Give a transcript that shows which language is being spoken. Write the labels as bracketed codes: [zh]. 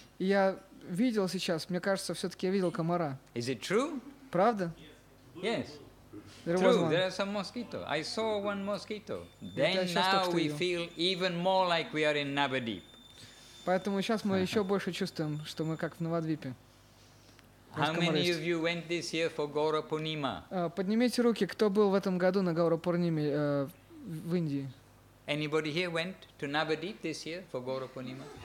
[ru] Я видел сейчас, мне кажется, все-таки я видел комара. [en] Is it true? [ru] Правда? [en] Yes. There are some mosquito. I saw one mosquito. Then now we feel even more like we are in Navadvip. [ru] Поэтому сейчас мы еще больше чувствуем, что мы как в Навадвипе. [en] How many of you went this year for Gaura Purnima? [ru] Поднимите руки, кто был в этом году на Гаура Пурниме в Индии. [en] Anybody here went to Navadvip this year for Gaura Purnima?